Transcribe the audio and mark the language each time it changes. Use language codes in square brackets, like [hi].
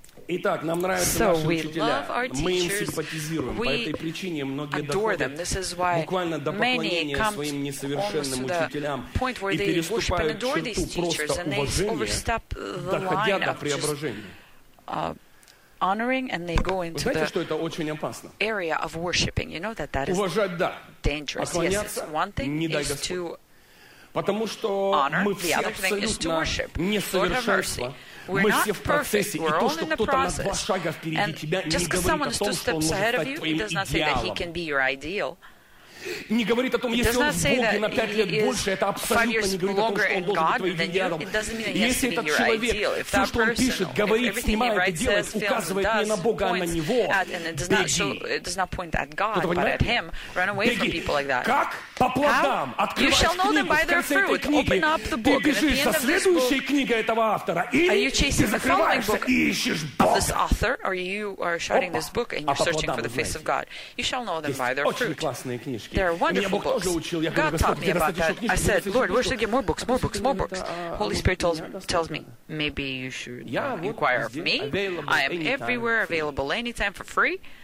[ru] Итак, нам нравятся наши учителя. Мы им симпатизируем. По этой причине многие доходят буквально до поклонения своим несовершенным учителям и переступают черту просто уважения, доходя до преображения. [en] Honoring, and they go into the area of worshiping. You know that that is dangerous. Yes, one thing is to [ru] потому что honor, мы все абсолютно несовершенства. Мы все в процессе, и то, что кто-то на два шага впереди [en] and [ru] тебя, не говорит о том, что он может стать твоим идеалом. Не говорит о том, если он в Боге на пять лет больше, это абсолютно не говорит о том, что он должен быть твоим идеалом. Если этот человек, все, что он пишет, говорит, снимает и делает, указывает не на Бога, а на него, беги. Беги. Как? По плодам. Открывай книгу в конце этой книги. Ты бежишь за следующей книгой этого автора или ты закрываешься и ищешь Бога? [en] This author, or you are shutting this book and you're searching for the face of God. You shall know them by their fruit. [ru] Очень классные книжки. [en] There are wonderful books. God taught me about that. I said, Lord, where should I get more books, more books, more books? Holy Spirit tells me, maybe you should inquire of me. I am everywhere, available anytime for free.